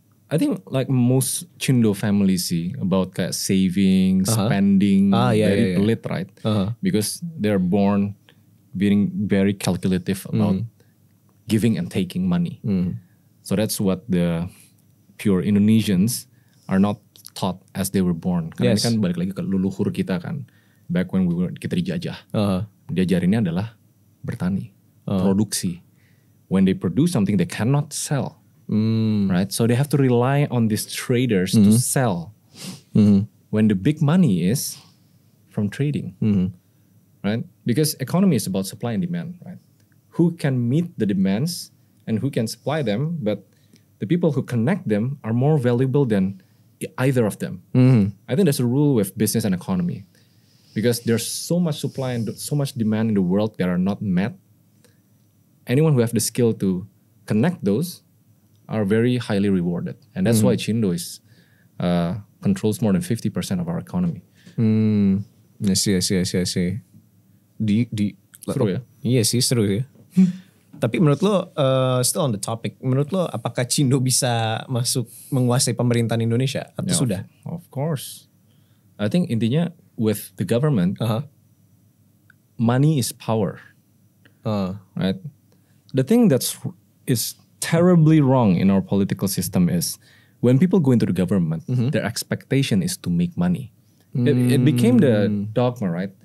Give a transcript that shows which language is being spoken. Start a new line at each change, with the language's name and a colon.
English: I think like most Chindo families see about
Indonesian: kayak
English: saving, spending, lit, right? Because they're born being very calculative about giving and taking money. Mm. So that's what the pure Indonesians are not taught as they were born.
Indonesian: Karena ini kan balik lagi ke leluhur kita kan.
English: Back when
Indonesian: kita dijajah. Diajarinnya adalah bertani.
English: Produksi. When they produce something, they cannot sell. Right? So they have to rely on these traders to sell. When the big money is from trading. Right? Because economy is about supply and demand. Right? Who can meet the demands and who can supply them, but the people who connect them are more valuable than either of them. Mm-hmm. I think that's a rule with business and economy. Because there's so much supply and so much demand in the world that are not met. Anyone who have the skill to connect those are very highly rewarded. And that's why Chindo controls more than 50% of our economy. Mm. I see.
Indonesian: Seru ya? Tapi menurut lo,
English: still on the topic,
Indonesian: menurut lo apakah Chindo bisa masuk menguasai pemerintahan Indonesia atau sudah?
English: Of course. I think
Indonesian: intinya
English: with the government, money is power. Right? The thing that's is terribly wrong in our political system is when people go into the government, mm-hmm. their expectation is to make money. Mm. It became the dogma, right?